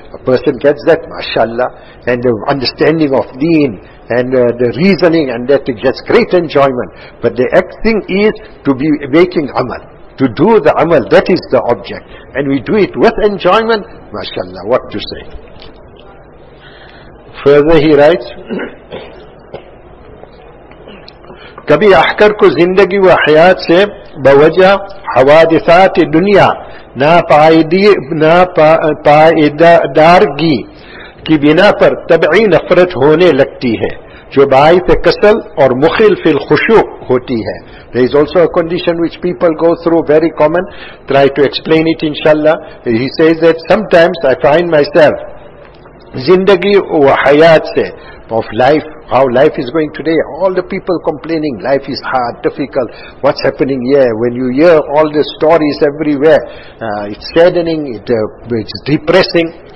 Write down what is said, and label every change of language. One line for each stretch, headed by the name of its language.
English: A person gets that, mashallah, and the understanding of deen, and the reasoning, and that it gets great enjoyment. But the next thing is to be making amal. To do the amal, that is the object. And we do it with enjoyment, mashallah, what to say. Further he writes,
Urdu: کبھی احکر کو زندگی و حیات سے بوجہ حوادثات دنیا ناپائیدارگی کی بنا پر طبعی نفرت ہونے لگتی ہے جو باعث کسل اور مخل فی الخشوع ہوتی ہے.
English: There is also a condition which people go through, very common. Try to explain it inshallah. He says that sometimes I find myself
Urdu: زندگی و حیات سے
English: of life, how life is going today, all the people complaining, life is hard, difficult, what's happening here, when you hear all the stories everywhere, it's saddening, it's depressing.